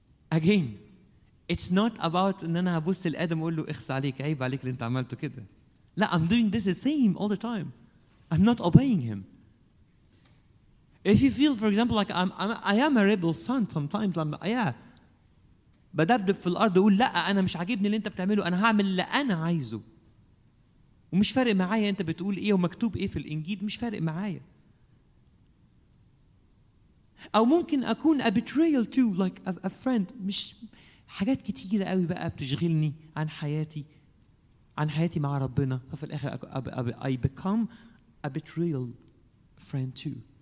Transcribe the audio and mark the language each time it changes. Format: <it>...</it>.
<en>Again, it's not about</en> <ar>أن أنا أبص لآدم وأقول له إخس عليك عيب عليك اللي أنت عملته كده. لا,</ar> <en>I'm doing this the same all the time. I'm not obeying him. If you feel, for example, like I am a rebel son sometimes, I'm like, yeah.</en> <ar>بدبدب في الأرض وأقول لا أنا مش عاجبني اللي أنت بتعمله, أنا هعمل اللي أنا عايزه. ومش فارق معايا أنت بتقول إيه ومكتوب إيه في الإنجيل, مش فارق معايا. أو ممكن أكون</ar> <en>a betrayal too, like a friend.</en> <ar>مش حاجات كتيرة قوي بقى بتشغلني عن حياتي, عن حياتي مع ربنا. ففي الآخر</ar> <en>I become a betrayal friend too.</en>